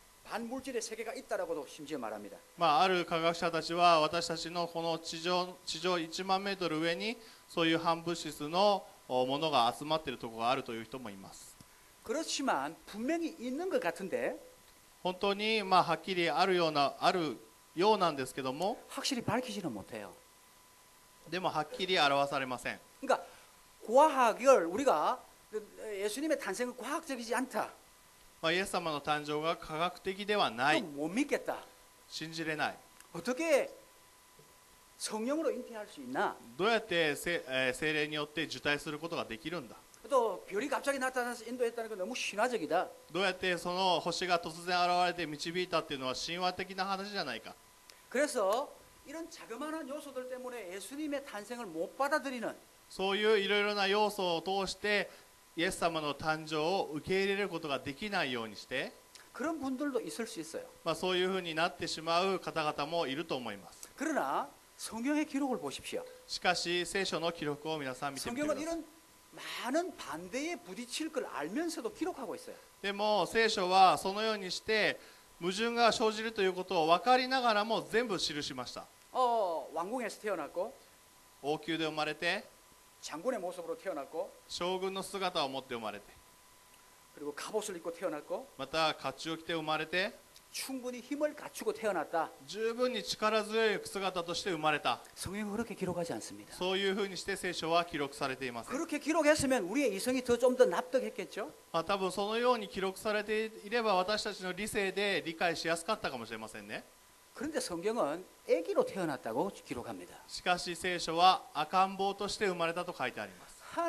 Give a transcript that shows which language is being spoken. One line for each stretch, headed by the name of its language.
Korean: 반물질의세계가있다라고도심지어말합니다
Japanese: まあある科学者たちは私たちのこの地上1万メートル上にそういう反物質のものが集まっているところがあるという人もいます
Korean: 그렇지만분명히있는것같은데
Japanese: 本当にまあはっきりあるようなんですけども
Korean: 확실히밝히지는못해요
Japanese: でもはっきり表されません
Korean: 그러니까과학을우리가예수님의탄생은과학적이지않다
Japanese: まあ、イエス様の誕生が科学的ではない。
Korean: 못믿겠다。
Japanese: 信じれない。
Korean: 어떻게성령으로잉태할수있나？
Japanese: どうやって聖霊によって受胎することができるんだ？
Korean: 또별이갑자기나타나서인도했다는건너무신화적이다。
Japanese: どうやってその星が突然現れて導いたっていうのは神話的な話じゃないか。
Korean: 그래서이런자그마한요소들때문에예수님의탄생을못받아들이는。
Japanese: そういういろいろな要素を通して。イエス様の誕生を受け入れることができないようにして
Korean: 그런분들도있을수있어요、
Japanese: まあ、そういうふうになってしまう方々もいると思います
Korean: 그러나성경의기록을보십시오
Japanese: しかし聖書の記録を皆さん見てみてください
Korean: 성경은이런많은반대에부딪힐걸알면서도기록하고있어요
Japanese: でも聖書はそのようにして矛盾が生じるということを分かりながらも全部記しました
Korean: 왕궁에서태어났고
Japanese: 王宮で生まれて
Korean: 장군의모습으로태어났고
Japanese: 将軍の姿を持って生まれて
Korean: 그리고갑옷을입고태어났고
Japanese: また甲冑を着て生まれて
Korean: 충분히힘을갖추고태어났다
Japanese: 十分に力強い姿として生まれた
Korean: 성경은그렇게기록하지않습니다
Japanese: そういうふうにして聖書は記録されていません
Korean: 그렇게기록했으면우리의이성이더좀더납득했겠죠
Japanese: まあ多分そのように記録されていれば私たちの理性で理解しやすかったかもしれませんね
Korean: 그런데성경은애기로태어났다고기록합니다
Japanese: しかし聖書は赤ん坊として生まれたと書いてあります